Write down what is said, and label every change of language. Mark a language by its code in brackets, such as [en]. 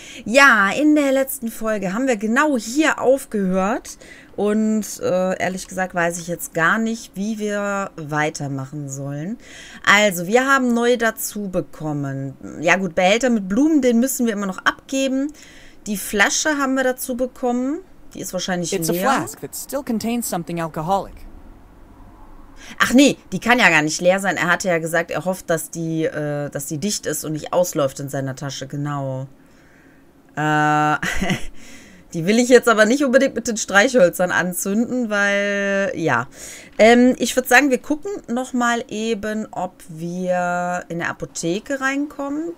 [de] Ja, in der letzten Folge haben wir genau hier aufgehört und ehrlich gesagt weiß ich jetzt gar nicht, wie wir weitermachen sollen. Also, wir haben neu dazu bekommen. Ja gut, Behälter mit Blumen, den müssen wir immer noch abgeben. Die Flasche haben wir dazu bekommen. Die ist wahrscheinlich leer. [en] It's a flask that still contains something alcoholic. [de] Ach nee, die kann ja gar nicht leer sein. Er hatte ja gesagt, er hofft, dass die dicht ist und nicht ausläuft in seiner Tasche. Genau. die will ich jetzt aber nicht unbedingt mit den Streichhölzern anzünden, weil, ja. Ich würde sagen, wir gucken nochmal eben, ob wir in der Apotheke reinkommen.